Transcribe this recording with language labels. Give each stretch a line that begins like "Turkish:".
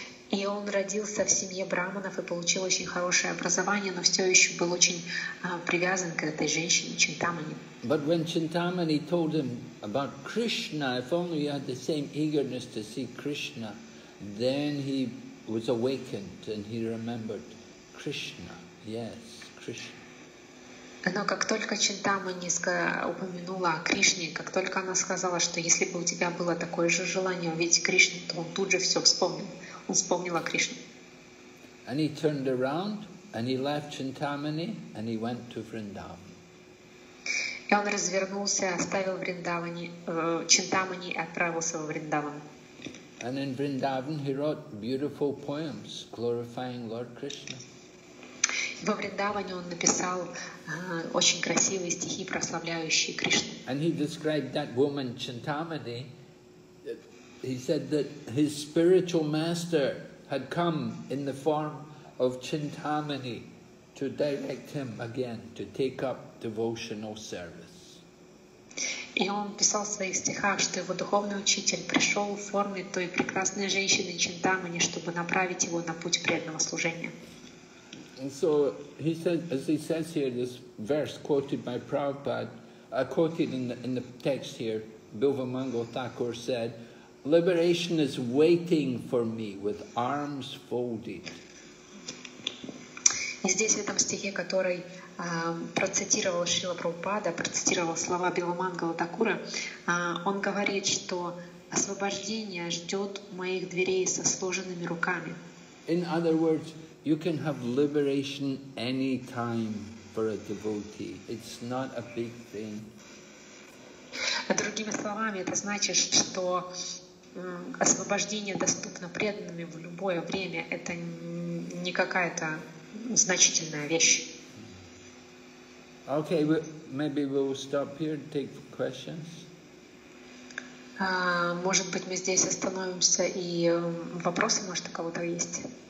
Russian: И он родился в семье брахманов и получил очень хорошее образование, но все еще был очень привязан к этой женщине, Чинтамани.
English: But when Chintamani told him about Krishna, if only he had the same eagerness to see Krishna, then he was awakened and he remembered Krishna. Yes, Krishna.
Russian: Но как только Чинтамани упомянула о Кришне, как только она сказала, что если бы у тебя было такое же желание увидеть Кришну, то он тут же все вспомнил. Он вспомнил о Кришне.
English: And he turned around, and he left Chintamani, and he went to Vrindavan.
Russian: И он развернулся, оставил Вриндаване, Чинтамани, и отправился в Вриндаван.
English: And in Vrindavan he wrote beautiful poems glorifying Lord Krishna.
Russian: Во Вриндаване он написал очень красивые стихи, прославляющие Кришну.
English: And he described that woman, Chintamani. He said that his spiritual master had come in the form of Chintamani to direct him again to take up devotional service.
Russian: И он писал в своих стихах, что его духовный учитель пришел в форме той прекрасной женщины Чинтамани, чтобы направить его на путь преданного служения.
English: And so he said, as he says here, this verse quoted by Prabhupada, quoted in the text here, Bilva Mango Thakur said, liberation is waiting for me with arms folded.
Russian: И здесь в этом стихе, который процитировал Шрила Прабхупада, процитировал слова Бива Мангала Такура, он говорит, что освобождение ждет моих дверей со сложенными руками.
English: In other words, you can have liberation any time for a devotee. It's not a big thing.
Russian: Другими словами, это значит, что освобождение доступно преданными в любое время. Это не какая-то значительная вещь.
English: Okay, well, maybe we'll stop here and take questions.
Russian: Может быть, мы здесь остановимся, и вопросы, может, у кого-то есть?